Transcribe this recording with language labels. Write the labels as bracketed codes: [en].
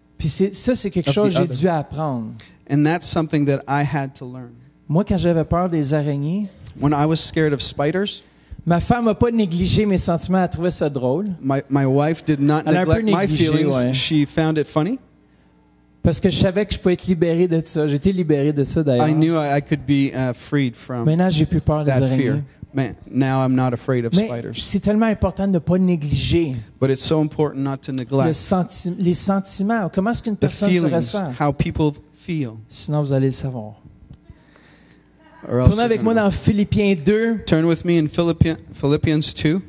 [fr] Puis c'est quelque chose que j'ai dû apprendre. [en] And that's something that I had to learn. [fr] Moi, quand j'avais peur des araignées, [en] when I was scared of spiders, [fr] ma femme n'a pas négligé mes sentiments. Elle trouvait ça drôle. [en] My wife did not neglect my feelings. [fr] Ouais. [en] She found it funny. [fr] Parce que je savais que je pouvais être libéré de ça. J'étais libéré de ça d'ailleurs. [en] I knew I could be freed from. [fr] Maintenant, j'ai plus peur des araignées. [en] Fear. Man, now I'm not afraid of spiders. [fr] Mais c'est tellement important de ne pas négliger. [en] But it's so important not to neglect. [fr] Les sentiments. Comment est-ce qu'une personne se ressent? [en] How people feel. [fr] Sinon, vous allez le savoir. Tournez avec moi dans Philippiens 2. [en] Turn with me in Philippians 2.